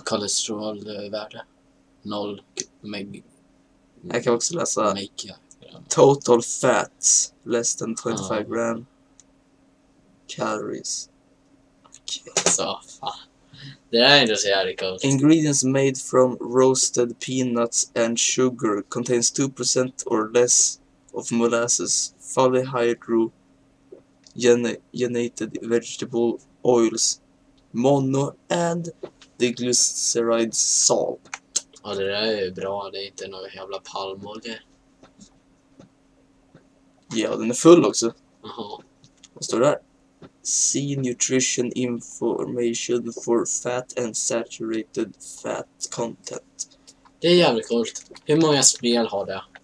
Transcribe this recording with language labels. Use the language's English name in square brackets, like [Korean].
[Swedish] Kolesterolvärde 0 meg. Jag kan också läsa [English] total fat less than 25 gram calories. [Swedish] Så fan. Det är ändå så jävligt coolt. [English] Ingredients made from roasted peanuts and sugar contains 2% or less of molasses, fully hydrogenated vegetable oils, mono and diglyceride salt. [Swedish] Ja, det där är ju bra. Det är inte någon jävla palmolja. Ja, den är full också. Aha. Vad står det där? [English] See nutrition information for fat and saturated fat content. [Swedish] Det är jävligt coolt. Hur många spel har det?